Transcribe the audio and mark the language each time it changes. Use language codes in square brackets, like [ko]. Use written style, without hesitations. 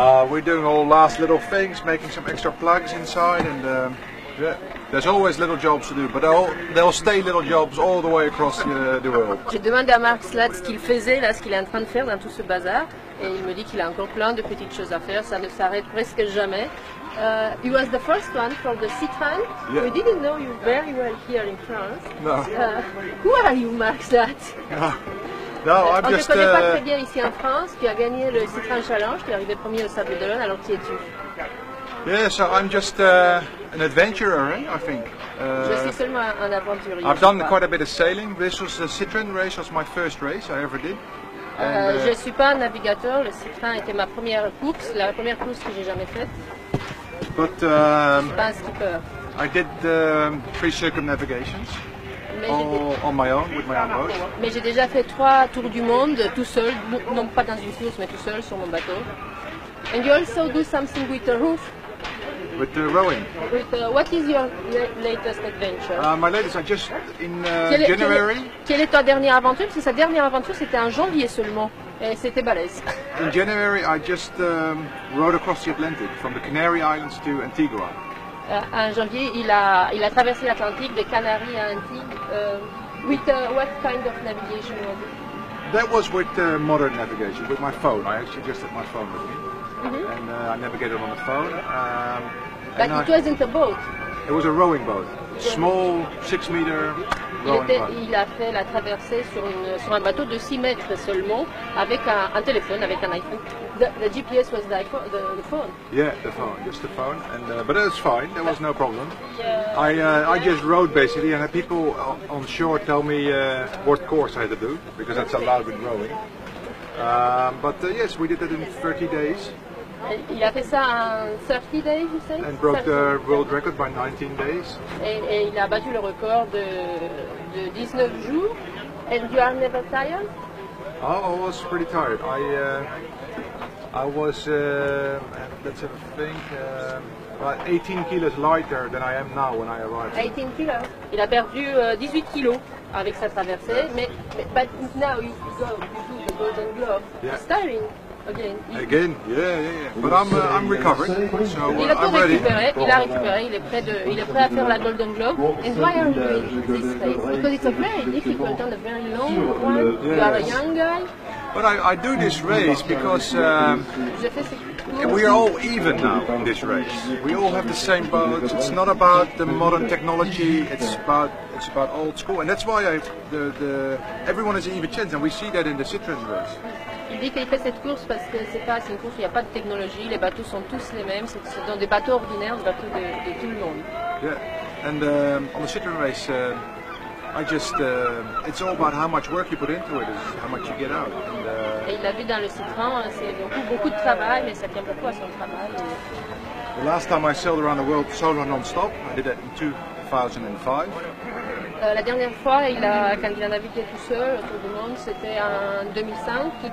[en] We're doing all last little things, making some extra plugs inside, and yeah, there's always little jobs to do, but they'll stay little jobs all the way across the world. [fr] J'ai demandé à Mark Slats ce qu'il faisait là, ce qu'il est en train de faire dans tout ce bazar, et il me dit qu'il a encore plein de petites choses à faire. Ça ne s'arrête presque jamais. [en] He was the first one from the Citroën. Yeah. We didn't know you very well here in France. No. Who are you, Mark Slats? No, I'm on just. [fr] On ne te connaît pas très bien ici en France. Tu as gagné le Citroën Challenge. Tu es arrivé premier au Sable d'Olonne. Alors qui es-tu? [en] Yeah, so I'm just an adventurer, eh, I think. I've done quite a bit of sailing. This was the Citroën race, was my first race I ever did. [fr] Je ne suis pas un navigateur, le Citroën était ma première course, la première course que j'ai jamais faite. [en] But [fr] je suis pas un skipper. [en] I did three circumnavigations on my own, with my own boat. [fr] Mais j'ai déjà fait trois tours du monde tout seul, non pas dans une course, mais tout seul sur mon bateau. [en] And you also do something with the roof? With the rowing. What is your latest adventure? My latest, I just in January. [fr] Quelle est ta dernière aventure? Parce que sa dernière aventure c'était en janvier seulement, et c'était balèze. [en] In January, I just rowed across the Atlantic from the Canary Islands to Antigua. [fr] En janvier, il a traversé l'Atlantique des Canaries à Antigua. [en] With what kind of navigation was it? That was with modern navigation, with my phone. I actually just had my phone with me. Mm-hmm. And I navigated on the phone. But it wasn't a boat. It was a rowing boat. Small, 6 meter rowing boat. [fr] Il a fait la traversée sur un bateau de 6 mètres seulement, avec un téléphone, avec un iPhone. [en] The GPS was the phone. Yeah, the phone, just the phone. And but it was fine, there was no problem. I just rowed basically, and the people on shore tell me what course I had to do, because that's allowed with rowing. Yes, we did that in 30 days. [fr] Il a fait ça en 30 [en] days, you say? And broke the world record by 19 days. [fr] Et il a battu le record de 19 jours. [en] And you are never tired? Oh, I was pretty tired. I was about 18 kilos lighter than I am now when I arrived. [fr] 18 kilos? Il a perdu 18 kilos avec sa traversée. [en] Yes. But now you go. Yeah. Starting again. Again, yeah. But I'm recovering, so I'm ready. [fr] Il a récupéré, il est prêt à faire la Golden Globe. [en] And why are you in this race? Because it's a very difficult and a very long one. Yes. You are a young guy. But I do this race because we are all even now in this race. We all have the same boat. It's not about the modern technology. It's about old school, and that's why everyone has an even chance, and we see that in the Citroën race. [fr] Il dit qu'il fait cette course parce que c'est une course où il n'y a pas de technologie. Les bateaux sont tous les mêmes. C'est dans des bateaux ordinaires, des bateaux de tout le monde. [en] Yeah, and on the Citroën race. It's all about how much work you put into it, is how much you get out. [fr] Et il a vu dans le Citroën, c'est beaucoup de travail, mais ça tient beaucoup à son travail. [en] The last time I sailed around the world solo non-stop, I did that in 2005. [fr] La dernière fois, quand il a navigué tout seul autour du monde, c'était en 2005.